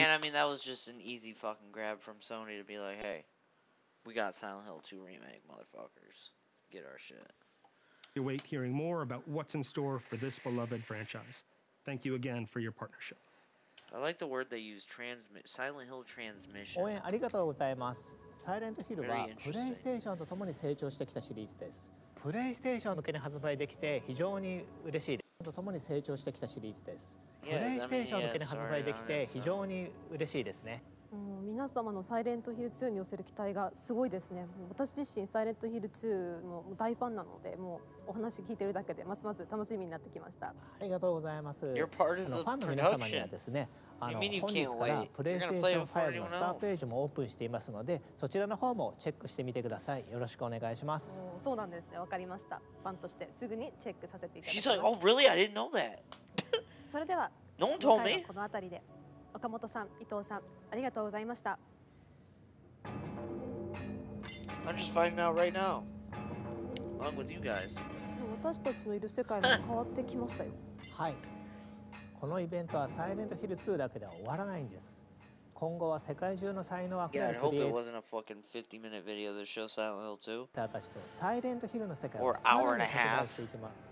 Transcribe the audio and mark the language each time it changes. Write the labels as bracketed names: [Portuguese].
[English] And, I mean, that was just an easy fucking grab from Sony to be like, hey, we got Silent Hill 2 Remake, motherfuckers. Get our shit. We await hearing more about what's in store for this beloved franchise. Thank you again for your partnership. I like the word they use, Silent Hill Transmission. [Japanese] 応援ありがとうございます。Silent Hill はプレイステーションと共に成長してきたシリーズです。プレイステーション向けに発売できて非常に嬉しいです。と共に成長してきたシリーズです。プレイステーションだけに発売できて非常に嬉しいですね。うん、皆様のサイレントヒル2に寄せる期待がすごいですね。もう私自身サイレントヒル2の大ファンなので、もうお話聞いてるだけでますます楽しみになってきました。ありがとうございます。 [English] You're part of the production. [Japanese] ファンの皆様にはですね、本日からプレイステーション5のスターページもオープンしていますので、そちらの方もチェックしてみてください。よろしくお願いします。そうなんですね、わかりました。ファンとしてすぐにチェックさせていただきます。 [English] She's like, oh really? I didn't know that. [Japanese] それでは、 [English] No one told me. [Japanese] この辺りで岡本さん、伊藤さん、ありがとうございました。 [English] I'm just finding out right now along with you guys. [Japanese] 私たちのいる世界も変わってきましたよ。はい、このイベントはサイレントヒル2だけでは終わらないんです。今後は世界中の才能あふれるクリエイターたちと、サイレントヒルの世界をさらに拡大していきます。